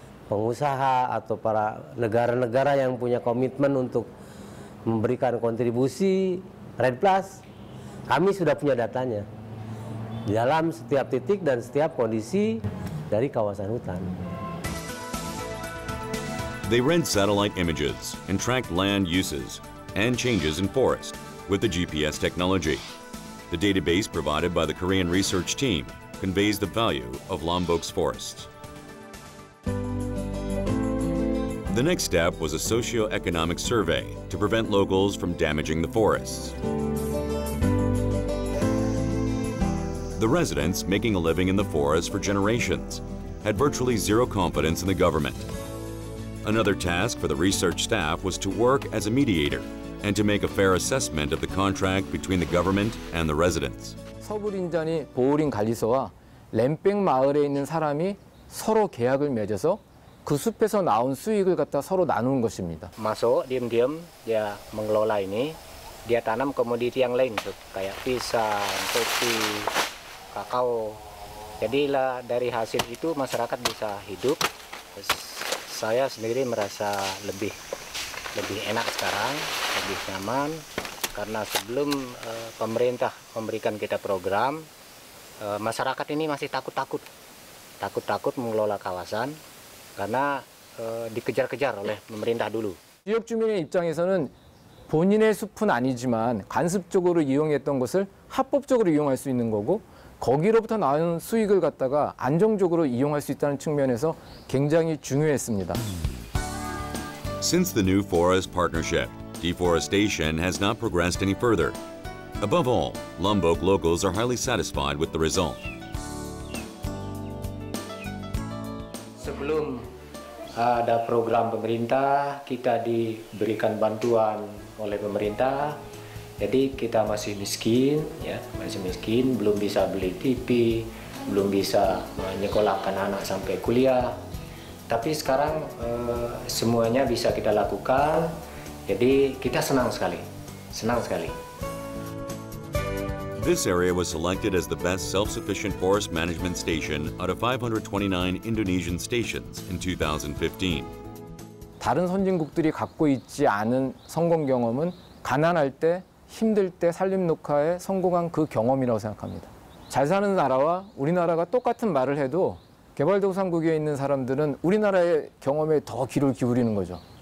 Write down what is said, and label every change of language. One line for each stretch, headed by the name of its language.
Indonesian: pengusaha atau para negara-negara yang punya komitmen untuk memberikan kontribusi RED Plus, kami sudah punya datanya di dalam setiap titik dan setiap kondisi dari kawasan hutan.
English: They rent satellite images and track land uses and changes in forest with the GPS technology. The database provided by the Korean research team conveys the value of Lombok's forests. The next step was a socio-economic survey to prevent locals from damaging the forests. The residents making a living in the forest for generations had virtually zero confidence in the government. Another task for the research staff was to work as a mediator and to make a fair assessment of the contract between the government and the residents.
Korean: 서부 린전이 보호린 관리소와 램백 마을에 있는 사람이 서로 계약을 맺어서 그 숲에서 나온 수익을 갖다 서로 나누는 것입니다.
Indonesian: Masuk diam-diam dia mengelola ini, dia tanam komoditi yang lain tuh kayak pisang, kopi, kakao. Jadilah dari hasil itu masyarakat bisa hidup. Saya sendiri merasa lebih enak sekarang, lebih nyaman karena sebelum pemerintah memberikan kita program, masyarakat ini masih takut-takut mengelola kawasan. Karena dikejar-kejar oleh pemerintah dulu. 지역 주민의 입장에서는 본인의 숲은 아니지만 간습적으로 이용했던 것을 합법적으로 이용할 수 있는 거고 거기로부터 나온 수익을 갖다가 안정적으로 이용할 수 있다는 측면에서 굉장히 중요했습니다.
English: Since the new forest partnership, deforestation has not progressed any further. Above all, Lombok locals are highly satisfied with the result.
Indonesian: Sebelum ada program pemerintah, kita diberikan bantuan oleh pemerintah. Jadi kita masih miskin, ya, masih miskin, belum bisa beli TV, belum bisa menyekolahkan anak sampai kuliah. Tapi sekarang semuanya bisa kita lakukan. Jadi kita senang sekali, senang sekali.
English: This area was selected as the best self-sufficient forest management station out of 529 Indonesian stations in 2015.
Korean: 다른 선진국들이 갖고 있지 않은 성공 경험은 가난할 때, 힘들 때 산림 녹화에 성공한 그 경험이라고 생각합니다. 잘 사는 나라와 우리나라가 똑같은 말을 해도 개발도상국에 있는 사람들은 우리나라의 경험에 더 귀를 기울이는 거죠.